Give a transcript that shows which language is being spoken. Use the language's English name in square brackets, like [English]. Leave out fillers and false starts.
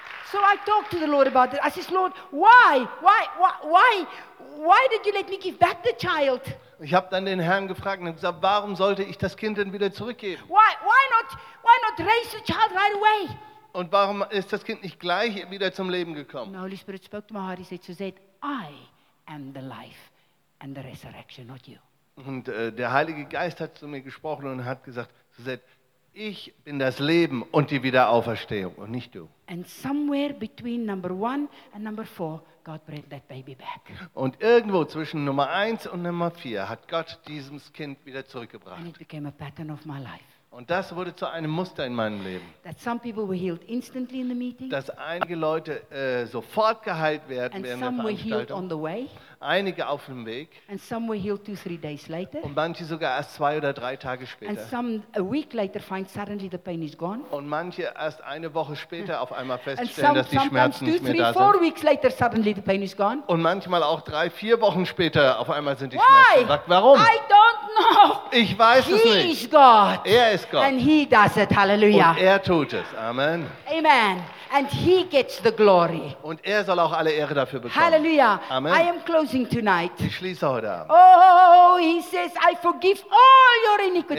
[English] So I talked to the Lord about it. I said, Lord, why did you let me give back the child? [German] Ich habe dann den Herrn gefragt und gesagt, warum sollte ich das Kind denn wieder zurückgeben? [English] Why not raise the child right away? [German] Und warum ist das Kind nicht gleich wieder zum Leben gekommen? [English] The Holy Spirit spoke to my heart. He said, "Suzette, I am the life and the resurrection, not you." [German] Und der Heilige Geist hat zu mir gesprochen und hat gesagt, Suzette, ich bin das Leben und die Wiederauferstehung und nicht du. [English] And somewhere between number one and number four, God brought that baby back. [German] Und irgendwo zwischen Nummer 1 und Nummer 4 hat Gott dieses Kind wieder zurückgebracht. [English] And it became a pattern of my life. [German] Und das wurde zu einem Muster in meinem Leben. [English] That some people were healed instantly in the meeting. [German] Dass einige Leute sofort geheilt werden [English] and [German] während some der Veranstaltung. Einige auf dem Weg. [English] And some were healed 2-3 days later. [German] Und manche sogar erst 2 oder 3 Tage später. [English] And some a week later find suddenly the pain is gone. [German] Und manche erst eine Woche später auf einmal feststellen, some, dass die Schmerzen nicht mehr da sind. [English] 4 weeks later suddenly the pain is gone. [German] Und manchmal auch 3-4 Wochen später auf einmal sind die Schmerzen weg. Warum? [English] I don't know. [German] Ich weiß [English] he [German] es nicht. [English] Is God. [German] Er ist Gott. [English] And he does it. Hallelujah. [German] Und er tut es. Amen. [English] Amen. And he gets the glory. [German] Und er soll auch alle Ehre dafür bekommen. [English] Hallelujah. [German] Amen. [English] I am closing tonight. [German] Ich schließe heute Abend. [English] Oh, he says, I forgive all your iniquities.